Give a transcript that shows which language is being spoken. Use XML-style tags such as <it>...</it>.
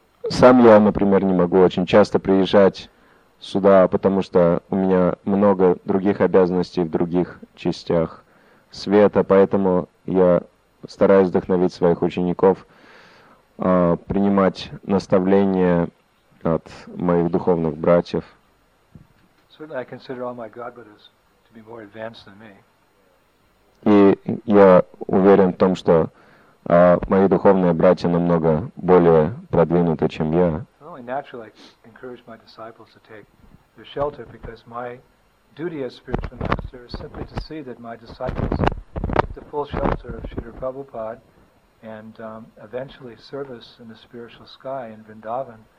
<ru>Сам я, например, не могу очень часто приезжать сюда, потому что у меня много других обязанностей в других частях света, поэтому я стараюсь вдохновить своих учеников принимать наставления от моих духовных братьев.</ru> <en>Certainly I consider all my godbrothers to be more advanced than me.</en> <ru>И я уверен в том, что мои духовные братья намного более продвинуты, чем я.</ru> <en>Well, naturally I encourage my disciples to take their shelter because my duty as spiritual master is simply to see that my disciples get the full shelter of Śrīla Prabhupāda and eventually service in the spiritual sky in Vrindavan.</en>